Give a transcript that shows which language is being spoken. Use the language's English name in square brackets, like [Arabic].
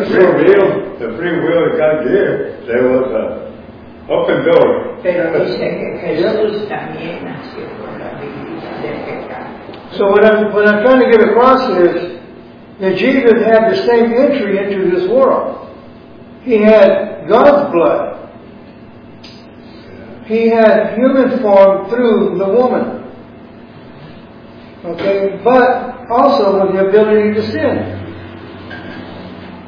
[English] The free will that God gave, there was an open door. [Spanish] Pero dice que Jesús también nació con la habilidad de pecar. [English] So what I'm trying to get across is that Jesus had the same entry into this world. He had God's blood. He had human form through the woman. Okay, but also with the ability to sin.